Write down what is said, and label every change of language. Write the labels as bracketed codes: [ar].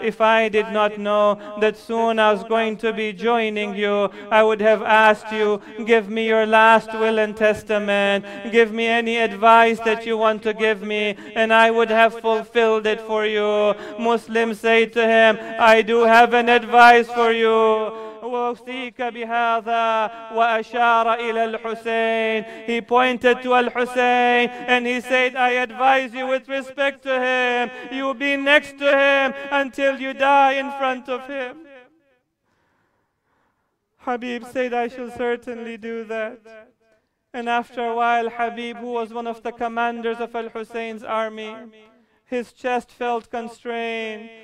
[en] If I did not know that soon I was going to be joining you, I would have asked you, give me your last will and testament. Give me any advice that you want to give me, and I would have fulfilled it for you. Muslim say to him, I do have an advice for you. [ar] وأوصيك بهذا وأشار إلى الحسين. [en] He pointed to Al-Hussein and he said, I advise you with respect to him. You be next to him until you die in front of him. Habib said, I shall certainly do that. And after a while, Habib, who was one of the commanders of Al-Hussein's army, his chest felt constrained.